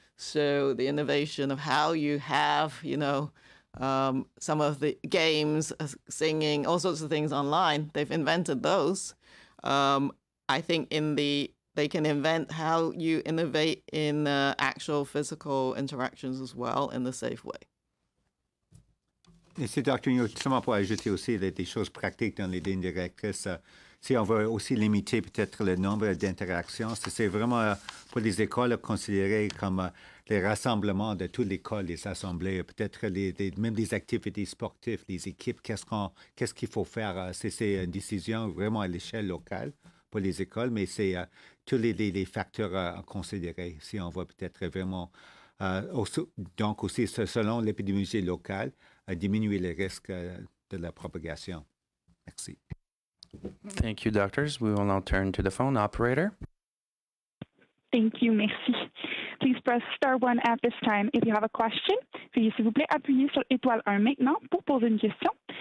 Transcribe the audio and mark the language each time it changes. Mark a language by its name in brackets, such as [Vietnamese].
[English] So the innovation of how you have, you know, some of the games, singing, all sorts of things online, they've invented those. I think they can invent how you innovate in actual physical interactions as well in the safe way. [French] Et c'est Dr. Njoo, seulement pour ajouter aussi des choses pratiques dans les lignes directrices, si on veut aussi limiter peut-être le nombre d'interactions, c'est vraiment pour les écoles considérées comme les rassemblements de toute l'école, les assemblées, peut-être même les activités sportives, les équipes, qu'est-ce qu'il faut faire. C'est une décision vraiment à l'échelle locale pour les écoles, mais c'est tous les facteurs à considérer, si on veut peut-être vraiment... donc aussi, selon l'épidémie locale, à diminuer les risques de la propagation. Merci. [English] Thank you, doctors. We will now turn to the phone operator. Thank you, merci. Please press star 1 at this time if you have a question. [French] Veuillez s'il vous plaît appuyer sur étoile 1 maintenant pour poser une question.